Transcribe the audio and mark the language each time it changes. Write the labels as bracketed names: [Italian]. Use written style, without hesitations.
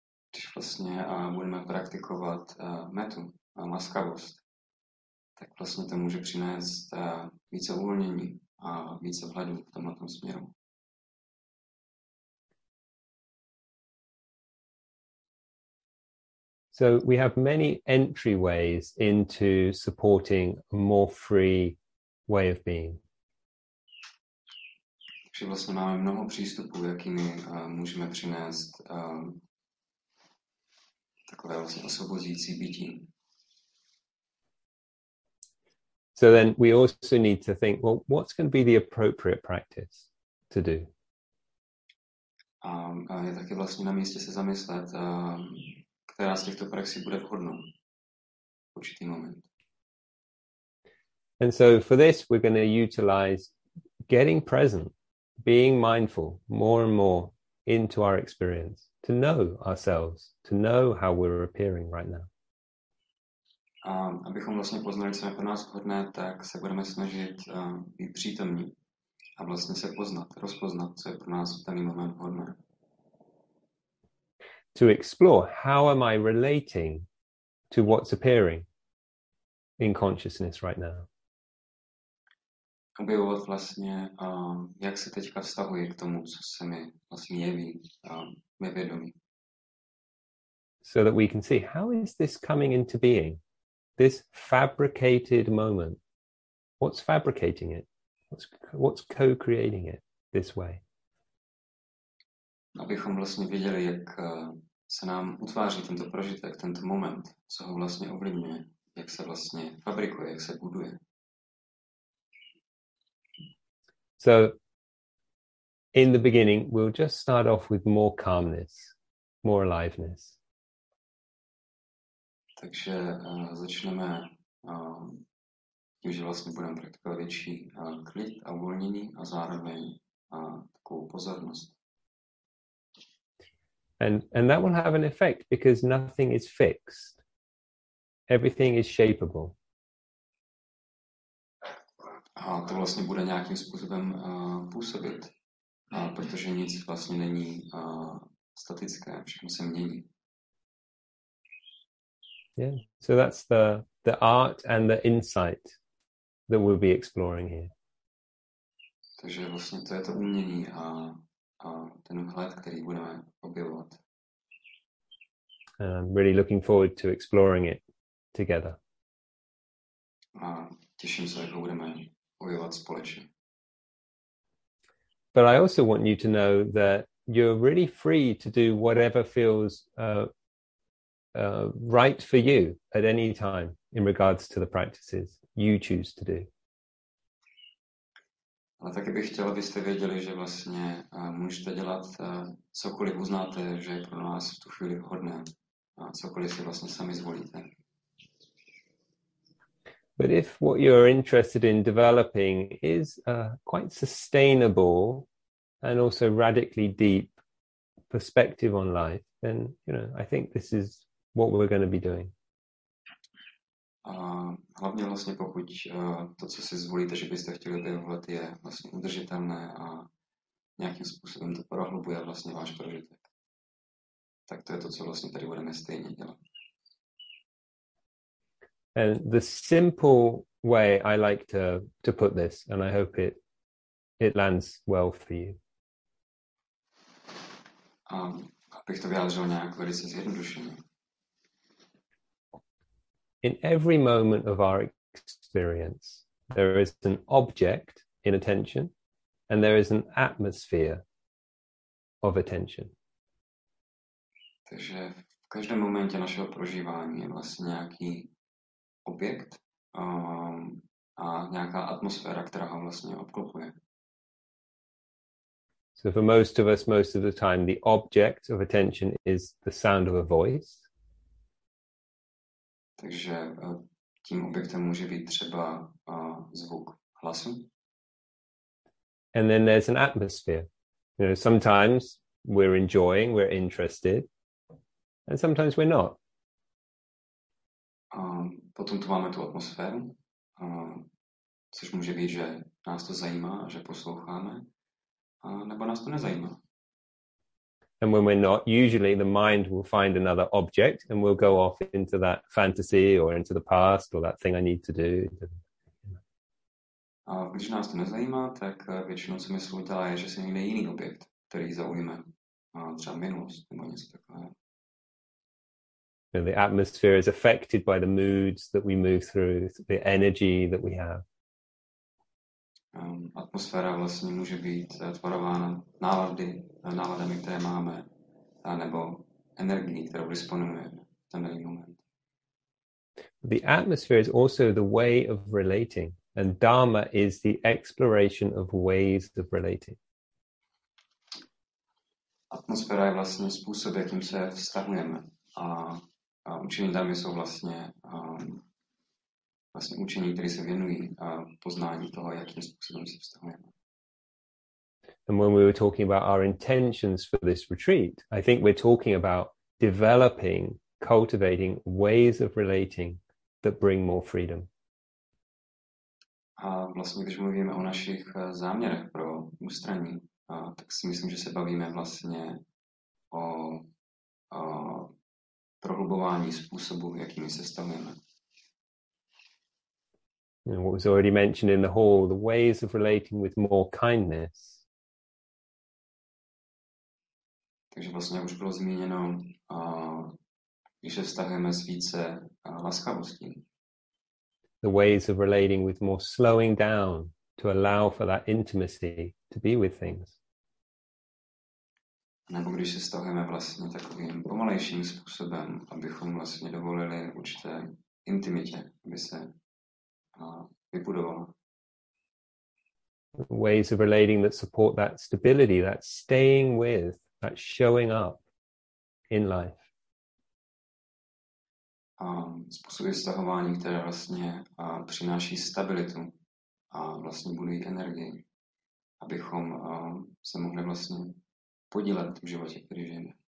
[Czech] Když vlastně budeme praktikovat metu, laskavost, tak vlastně to může přinést více uvolnění a více vhledů v tomhle tom směru. [English] So we have many entryways into supporting a more free way of being. [Czech] Takže vlastně máme mnoho přístupů, jakými můžeme přinést takové vlastně osvobozující bytí. [English] So then we also need to think, well, what's going to be the appropriate practice to do? [Czech] A je taky vlastně na místě se zamyslet, která z těchto praxí bude vhodnou v určitý moment. [English] And so for this we're going to utilize getting present, being mindful more and more into our experience, to know ourselves, to know how we're appearing right now. [Czech] Abychom vlastně poznali, co je pro nás vhodné, tak se budeme snažit být přítomní a vlastně se poznat, rozpoznat, co je pro nás v daný moment vhodné. [English] To explore how am I relating to what's appearing in consciousness right now. [Czech] Objevovat vlastně, jak se teďka vztahuje k tomu, co se mi vlastně jeví ve vědomí. [English] So that we can see how is this coming into being, this fabricated moment. What's fabricating it? What's co-creating it this way? [Czech] Abychom vlastně viděli, jak se nám utváří tento prožitek, tento moment, co ho vlastně ovlivňuje, jak se vlastně fabrikuje, jak se buduje. [English] So, in the beginning, we'll just start off with more calmness, more aliveness. [Czech] Takže začneme tím, že vlastně budeme praktikovat větší klid a uvolnění a zároveň takovou pozornost. [English] And that will have an effect because nothing is fixed. Everything is shapeable. [Czech] A to vlastně bude nějakým způsobem působit, protože nic vlastně není statické, všechno se mění. [English] Yeah, so that's the art and the insight that we'll be exploring here. [Czech] Takže vlastně to je to umění a ten vhled, který budeme objevovat. [English] And I'm really looking forward to exploring it together. [Czech] A těším se, jak ho budeme objevovat společně. [English] But I also want you to know that you're really free to do whatever feels right for you at any time in regards to the practices you choose to do. [Czech] Ale taky bych chtěl, abyste věděli, že vlastně můžete dělat cokoliv uznáte, že je pro nás v tu chvíli vhodné. Cokoliv si vlastně sami zvolíte. [English] But if what you're interested in developing is quite sustainable and also radically deep perspective on life, then, you know, I think this is what we're going to be doing. [Czech] Hlavně vlastně pokud to, co si zvolíte, že byste chtěli objevovat, je vlastně udržitelné a nějakým způsobem to prohlubuje vlastně váš prožitek. Tak to je to, co vlastně tady budeme stejně dělat. [English] And the simple way I like to put this, and I hope it lands well for you. [Czech] Abych to vyjádřil nějak velice zjednodušeně. [English] In every moment of our experience, there is an object in attention and there is an atmosphere of attention. [Czech] Takže v každém momentě našeho prožívání je vlastně nějaký objekt a nějaká atmosféra, která ho vlastně obklopuje. [English] So for most of us, most of the time, the object of attention is the sound of a voice. [Czech] Takže tím objektem může být třeba zvuk hlasu. [English] And then there's an atmosphere. You know, sometimes we're enjoying, we're interested, and sometimes we're not. [Czech] Potom tu máme tu atmosféru, což může být, že nás to zajímá, že posloucháme, nebo nás to nezajímá. [English] And when we're not, usually the mind will find another object and we'll go off into that fantasy or into the past or that thing I need to do. [Czech] A když nás to nezajímá, tak většinou se mysl udělá, že se někde jiný objekt, který zaujíme, třeba minulost nebo něco takového. [English] The atmosphere is affected by the moods that we move through, the energy that we have. [Czech] Atmosféra vlastně může být tvarována náladami, které máme, nebo energií, kterou disponujeme v ten daný moment. [English] The atmosphere is also the way of relating, and dharma is the exploration of ways of relating. [Czech] Atmosféra je vlastně způsob, jakým se vztahujeme. A učení dharmy jsou vlastně vlastně učení, které se věnují poznání toho, jakým způsobem se vztahujeme. [English] And when we were talking about our intentions for this retreat, I think we're talking about developing, cultivating ways of relating that bring more freedom. [Czech] A vlastně, když mluvíme o našich záměrech pro ústraní, tak si myslím, že se bavíme vlastně o prohlubování způsobu, jakým se vztahujeme. [English] And what was already mentioned in the hall, the ways of relating with more kindness. [Czech] Takže vlastně už bylo zmíněno, když se vztahujeme s více laskavostí. [English] The ways of relating with more slowing down to allow for that intimacy to be with things. [Czech] Nebo když se vztahujeme vlastně takovým pomalejším způsobem, abychom vlastně dovolili určité intimitě, aby se vybudovala. [English] Ways of relating that support that stability, that staying with, that showing up in life. [Czech] Způsoby vztahování, které vlastně přináší stabilitu a vlastně budují energii, abychom se mohli vlastně podílet v životě, který žijeme.